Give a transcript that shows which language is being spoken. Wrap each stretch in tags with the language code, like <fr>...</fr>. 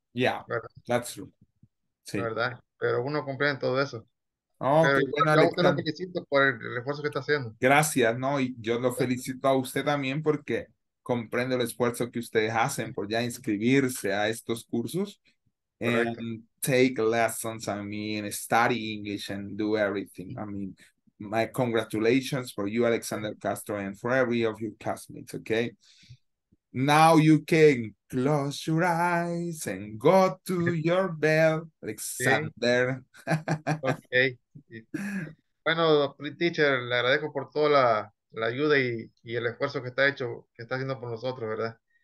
<en>Yeah,</en> <es>¿verdad?</es> <en>That's true.</en> <es>Sí. ¿Verdad? Pero uno comprende todo eso. Oh, pero qué bueno, Alexander. Yo felicito por el esfuerzo que está haciendo. Gracias, ¿no? Y yo lo felicito a usted también porque comprendo el esfuerzo que ustedes hacen por ya inscribirse a estos cursos. Correcto.</es> <en>And take lessons, I mean, study English and do everything. I mean, my congratulations for you, Alexander Castro, and for every of your classmates, okay? Now you can close your eyes and go to your bed, Alexander. Okay.</en> <es>Bueno, teacher, le agradezco por toda la ayuda y el esfuerzo que está hecho, que está haciendo por nosotros, ¿verdad?</es>